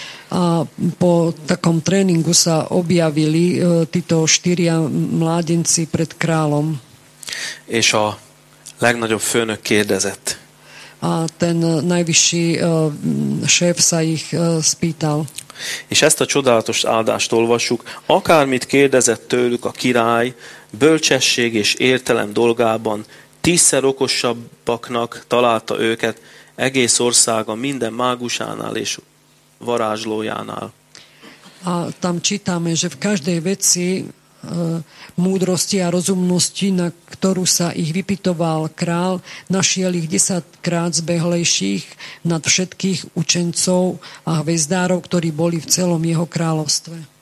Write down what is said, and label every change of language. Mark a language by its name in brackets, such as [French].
[Slovak] A po takom tréningu sa objavili títo štyria mládenci pred králom. [Hungarian] És a legnagyobb főnök kérdezett. [Slovak] A ten najvyšší šéf sa ich spýtal. [Hungarian] És ezt a csodálatos áldást olvassuk. Akármit kérdezett tőlük a király, bölcsesség és értelem dolgában 10-szer okosabbaknak találta őket, egész országa minden mágusánál és varázslójánál. [Slovak] A tam čítame, že v každej veci múdrosti a rozumnosti, na ktorú sa ich vypytoval král, našiel ich 10-krát zbehlejších nad všetkých učencov a hvezdárov, ktorí boli v celom jeho kráľovstve.